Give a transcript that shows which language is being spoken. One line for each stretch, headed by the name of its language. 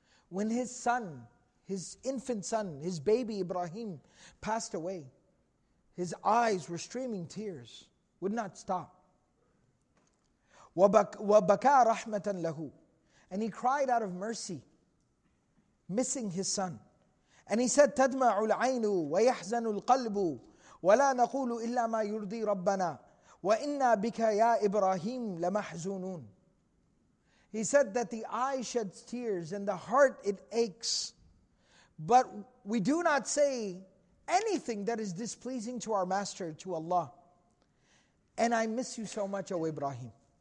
English: When his son, his infant son, his baby Ibrahim passed away, his eyes were streaming tears, would not stop.
Arabic: وَبَكَى رَحْمَةً لَهُ.
English: And he cried out of mercy, missing his son. And he said,
Arabic: تَدْمَعُ الْعَيْنُ وَيَحْزَنُ الْقَلْبُ وَلَا نَقُولُ إِلَّا مَا يُرْضِي رَبَّنَا. وَإِنَّا بِكَ يَا إِبْرَاهِيمُ لَمَحْزُونُونَ.
English: He said that the eye sheds tears and the heart it aches. But we do not say anything that is displeasing to our master, to Allah. And I miss you so much, O Ibrahim.